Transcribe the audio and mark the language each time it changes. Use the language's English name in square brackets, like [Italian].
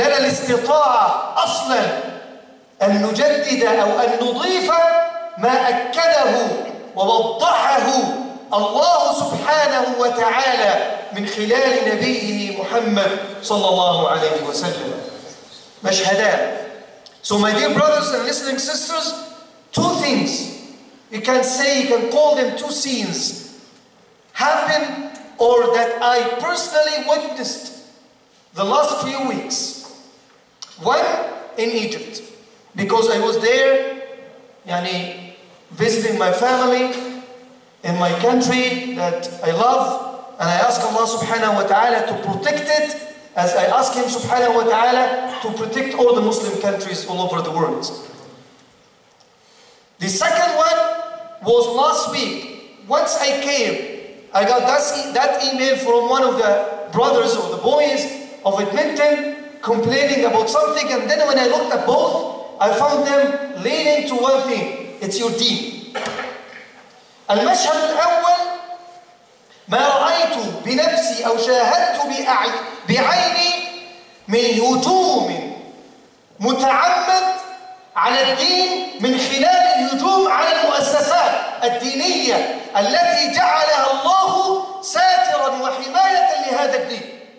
[Arabic] لنا الاستطاعة أصلاً أن نجدد أو أن نضيف ما أكده ووضحه الله سبحانه وتعالى من خلال نبيه محمد صلى الله عليه وسلم. مشهدان. [English] So my dear brothers and listening sisters, two things. You can say, you can call them two scenes. Happened or that I personally witnessed the last few weeks. One in Egypt, because I was there, yani visiting my family in my country that I love, and I ask Allah subhanahu wa ta'ala to protect it, as I ask Him subhanahu wa ta'ala to protect all the Muslim countries all over the world. The second one was last week. Once I came, I got that email from one of the brothers or the boys of Edmonton complaining about something, and then when I looked at both, I found them leaning to one thing. It's your deen. [Arabic] المشهد الأول ما رأيت بنفسي أو شاهدت بعيني من هجوم متعمد على الدين من خلال الهجوم على المؤسسات الدينية التي جعلها الله ساترا وحماية لهذا الدين.